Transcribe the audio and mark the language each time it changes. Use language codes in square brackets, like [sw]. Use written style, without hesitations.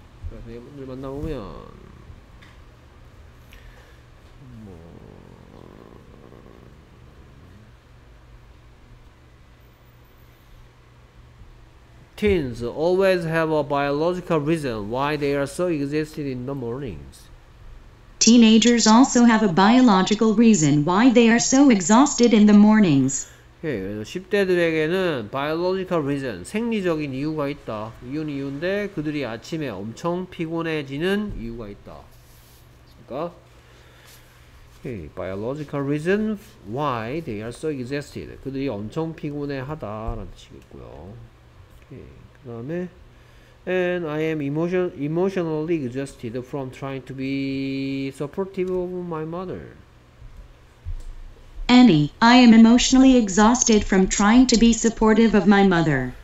[en] 그래서 여러분들 만나보면 뭐 Teens always have a biological reason why they are so exhausted in the mornings. Teenagers also have a biological reason why they are so exhausted in the mornings. [ko] Okay, 10대들에게는 biological reason, 생리적인 이유가 있다. 이유는 이유인데 그들이 아침에 엄청 피곤해지는 이유가 있다. [en] 그러니까 okay, biological reason why they are so exhausted. [ko] 그들이 엄청 피곤해하다라는 뜻이겠고요. [en] 그 다음에 And I am emotionally exhausted from trying to be supportive of my mother. Annie, I am emotionally exhausted from trying to be supportive of my mother.